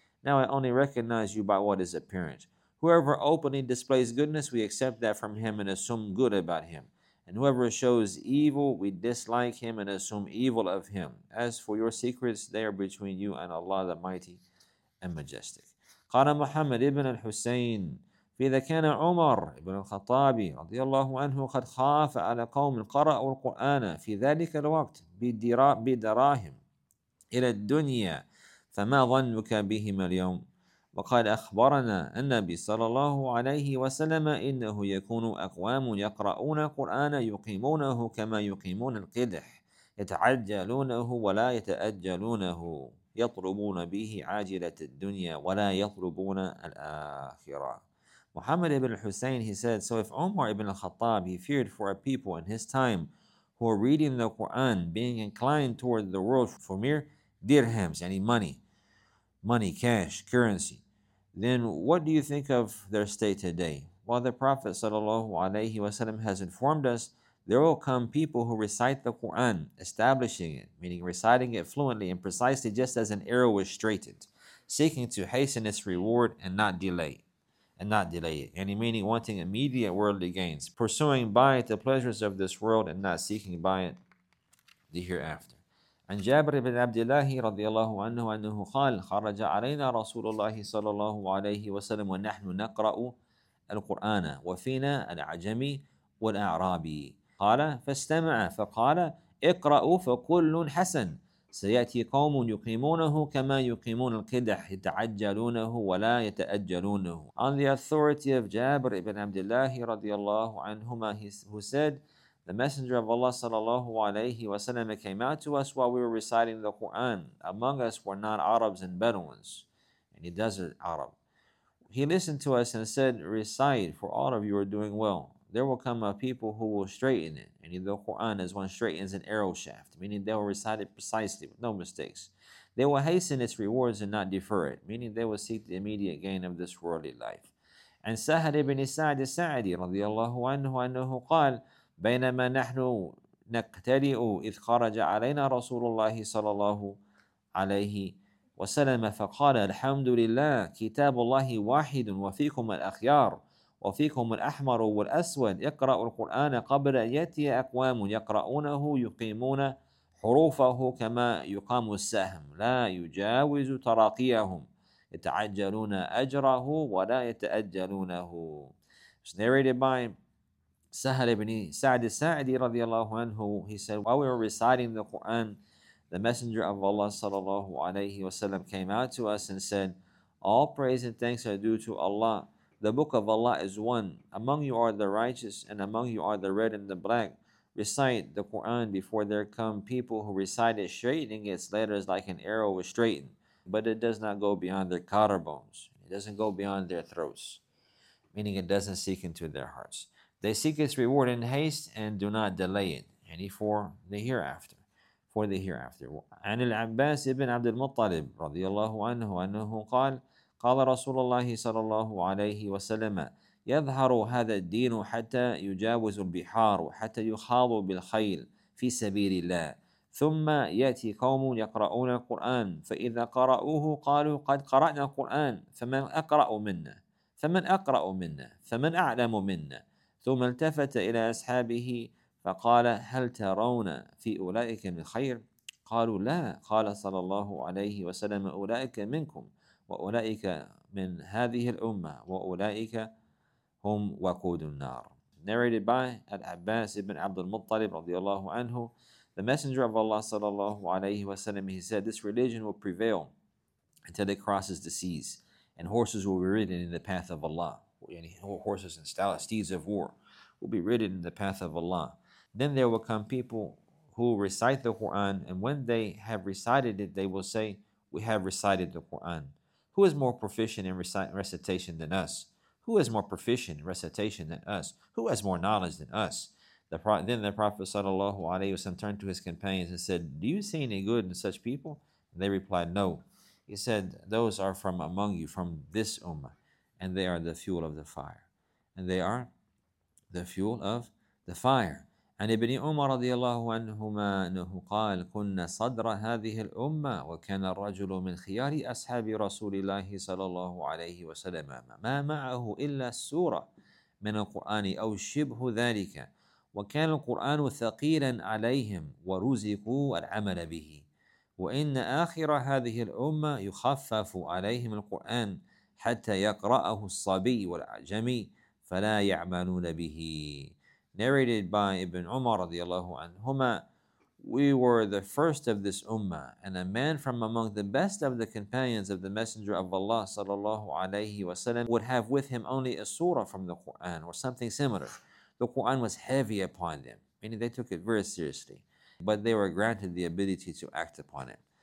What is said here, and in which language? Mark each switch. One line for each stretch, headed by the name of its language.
English: Now I only recognize you by what is apparent. Whoever openly displays goodness, we accept that from him and assume good about him. And whoever shows evil, we dislike him and assume evil of him. As for your secrets, they are between you and Allah the Mighty and Majestic.
Arabic: قال محمد ابن الحسين فإذا كان عمر ابن الخطاب رضي الله عنه قد خاف على قوم قرأوا القرآن في ذلك الوقت بدراهم إلى الدنيا فما ظنك بهم اليوم؟ وقال أخبرنا النبي صلى الله عليه وسلم إنه يكون أقوام يقرؤون القرآن يقيمونه كما يقيمون القدح يتعجلونه ولا يتأجلونه يطلبون به عاجلة الدنيا ولا يطلبون الآخرة.
English: Muhammad ibn Hussein, he said, so if Umar ibn al-Khattab, he feared for a people in his time who are reading the Quran, being inclined toward the world for mere dirhams, money, cash, currency, then what do you think of their state today? While the Prophet sallallahu alayhi wasallam has informed us, there will come people who recite the Quran, establishing it, meaning reciting it fluently and precisely, just as an arrow is straightened, seeking to hasten its reward and not delay it. Any meaning wanting immediate worldly gains, pursuing by it the pleasures of this world and not seeking by it the hereafter.
Arabic: عن جابر بن عبد الله رضي الله عنه أنه قال خرج علينا رسول الله صلى الله عليه وسلم ونحن نقرأ القرآن وفينا العجمي والأعرابي قال فاستمع فقال اقرأوا فكل حسن سيأتي قوم يقيمونه كما يقيمون القدح يتعجلونه ولا يتأجلونه.
English: On the authority of جابر بن عبد الله
Arabic: رضي الله عنهما,
English: who said, the Messenger of Allah sallallahu alayhi wa sallam came out to us while we were reciting the Quran. Among us were non-Arabs and Bedouins, and he desert Arab. He listened to us and said, recite, for all of you are doing well. There will come a people who will straighten it, and the Quran as one straightens an arrow shaft, meaning they will recite it precisely, with no mistakes. They will hasten its rewards and not defer it, meaning they will seek the immediate gain of this worldly life.
Arabic: And Sahal ibn Sa'd al-Sa'di radiallahu anhu anhu qal, بينما نحن نقترئ إذ خرج علينا رسول الله صلى الله عليه وسلم فقال الحمد لله كتاب الله واحد وفيكم الأخيار وفيكم الأحمر والأسود اقرأوا القرآن قبل أن يأتي أقوام يقرؤونه يقيمون حروفه كما يقام السهم لا يجاوز تراقيهم يتعجلون أجره ولا يتأجلونه.
English: It's narrated by Sahal ibn Sa'd al-Sa'di radiyallahu anhu, he said, while we were reciting the Quran, the Messenger of Allah sallallahu alayhi wa sallam came out to us and said, all praise and thanks are due to Allah. The book of Allah is one. Among you are the righteous and among you are the red and the black. Recite the Quran before there come people who recite it straightening its letters like an arrow was straightened. But it does not go beyond their collar bones. It doesn't go beyond their throats. Meaning it doesn't seek into their hearts. They seek its reward in haste and do not delay it. Any for the hereafter. For the hereafter.
Arabic: عن العباس بن عبد المطلب رضي الله عنه أنه قال قال رسول الله صلى الله عليه وسلم يظهر هذا الدين حتى يجاوز البحار وحتى يخاض بالخيل في سبيل الله ثم يأتي قوم يقرؤون القرآن فإذا قرأوه قالوا قد قرأنا القرآن فمن أقرأ منا فمن أقرأ منا فمن أعلم منا ثم التفت إلى أصحابه فقال هل ترون في أولئك من خير؟ قالوا لا. قال صلى الله عليه وسلم أولئك منكم وأولئك من هذه الأمة وأولئك هم وقود النار.
English: Narrated by Al-Abbas ibn Abd al-Muttalib
Arabic: رضي الله عنه.
English: The Messenger of Allah
Arabic: صلى الله عليه وسلم,
English: he said, this religion will prevail until it crosses the seas, and horses will be ridden in the path of Allah. Horses and steeds of war will be ridden in the path of Allah. Then there will come people who recite the Quran, and when they have recited it, they will say, we have recited the Quran. Who is more proficient in recitation than us? Who is more proficient in recitation than us? Who has more knowledge than us? Then the Prophet sallallahu alaihi wasallam turned to his companions and said, do you see any good in such people? And they replied, no. He said, those are from among you, from this ummah, and they are the fuel of the fire. And they are the fuel of the fire.
Arabic: عن ابن عمر رضي الله عنهما أنه قال كنا صدر هذه الأمة وكان الرجل من خيار أصحاب رسول الله صلى الله عليه وسلم ما معه إلا سورة من القرآن أو شبه ذلك وكان القرآن ثقيلا عليهم ورزقوا العمل به وإن آخر هذه الأمة يخفف عليهم القرآن حتى يقرأه الصبي والعجمي فلا يعملون به.
English: Narrated by Ibn Umar radiallahu anhuma, we were the first of this ummah, and a man from among the best of the companions of the Messenger of Allah sallallahu alayhi wasallam would have with him only a surah from the Quran or something similar. The Quran was heavy upon them, meaning they took it very seriously, but they were granted the ability to act upon it.